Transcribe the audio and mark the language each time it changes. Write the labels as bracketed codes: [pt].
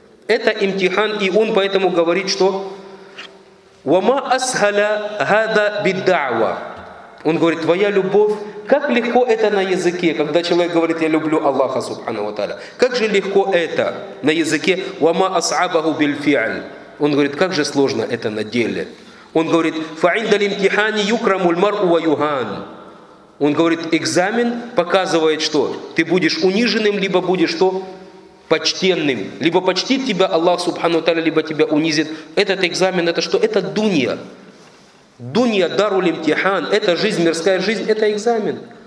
[ru] Это имтихан, и он поэтому говорит, что «Вама асхаля гада бидда'ва». Он говорит, твоя любовь, как легко это на языке, когда человек говорит, я люблю Аллаха Субхану ва Тааля. Как же легко это на языке «Вама асхабаху бильфи'ль». Он говорит, как же сложно это на деле. Он говорит, [ar] فَعِنْدَ الْإِمْتِحَانِ يُكْرَمُ الْمَرْءُ وَيُهَانُ. [ru] Он говорит, экзамен показывает, что ты будешь униженным, либо будешь что? Почтенным. Либо почтит тебя Аллах Субхану Тааля, либо тебя унизит. Этот экзамен, это что? Это дунья. Дунья, дару лимтихан, это жизнь, мирская жизнь, это экзамен.